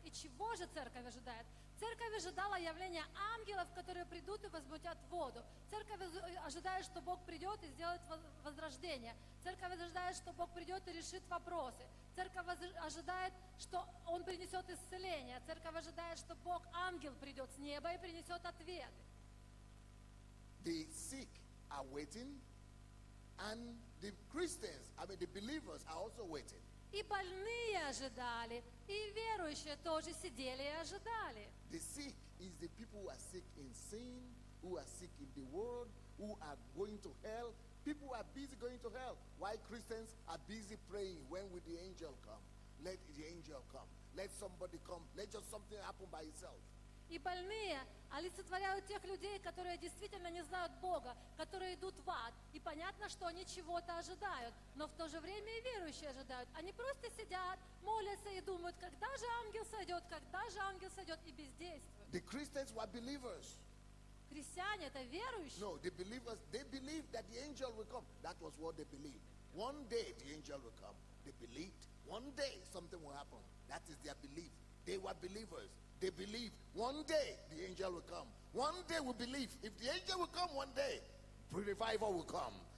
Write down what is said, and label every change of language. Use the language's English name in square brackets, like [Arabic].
[Russian] И чего же церковь ожидает? Церковь ожидала явления ангелов, которые придут и возмутят воду. Церковь ожидает, что Бог придет и сделает возрождение. Церковь ожидает, что Бог придет и решит вопросы. Церковь ожидает, что Он принесет исцеление. Церковь ожидает, что Бог, ангел, придет с неба и принесет ответ. [English] The sick are waiting, and the Christians, I mean the believers, are also waiting. [Russian] И больные ожидали, и верующие тоже сидели и ожидали. [English] The sick is the people who are sick in sin, who are sick in the world, who are going to hell. People who are busy going to hell. Why Christians are busy praying, when will the angel come? Let the angel come. Let somebody come. Let just something happen by itself. [Russian] И больные олицетворяют тех людей, которые действительно не знают Бога, которые идут в ад. И понятно, что они чего-то ожидают. Но в то же время и верующие ожидают. Они просто сидят, молятся и думают, когда же ангел сойдет, когда же ангел сойдет, и бездействуют. [English] The Christians were believers. [Russian] Христиане — это верующие. [English] No, the believers, they believed that the angel would come. That was what they believed. One day the angel would come. They believed. One day something will happen. That is their belief. They were believers. They believe one day the angel will come. One day we believe. If the angel will come one day, revival will come.